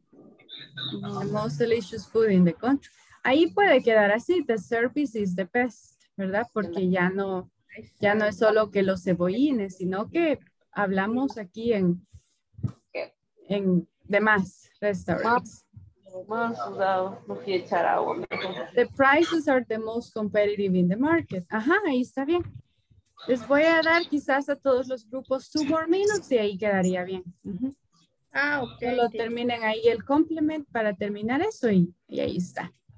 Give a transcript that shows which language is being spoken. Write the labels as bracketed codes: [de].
[en] The most delicious food in the country. [es] Ahí puede quedar así, [en] the service is the best, ¿verdad? [es] Porque ya no es solo que los cebollines, sino que hablamos aquí en demás restaurantes. [en] The prices are the most competitive in the market. [es] Ajá, ahí está bien. Les voy a dar quizás a todos los grupos [en] 2 more minutes [es] y ahí quedaría bien. Ah, ok. Solo terminen ahí el complement para terminar eso y ahí está.